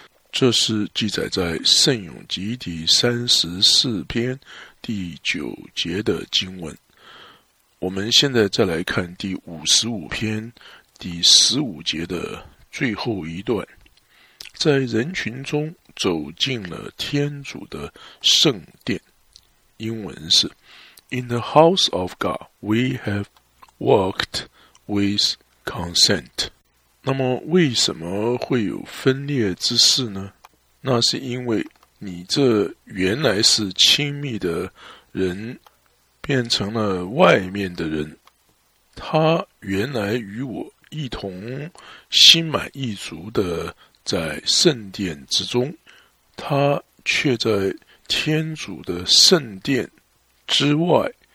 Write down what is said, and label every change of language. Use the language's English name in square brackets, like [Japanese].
[Chinese] 这是记载在圣咏集第34篇第9节的经文。我们现在再来看第55篇第15节的最后一段，在人群中走进了天主的圣殿。英文是 [English] In the house of God we have walked with consent。 [Chinese] 那么为什么会有分裂之事呢？那是因为你这原来是亲密的人变成了外面的人，他原来与我一同心满意足的在圣殿之中，他却在天主的圣殿之外。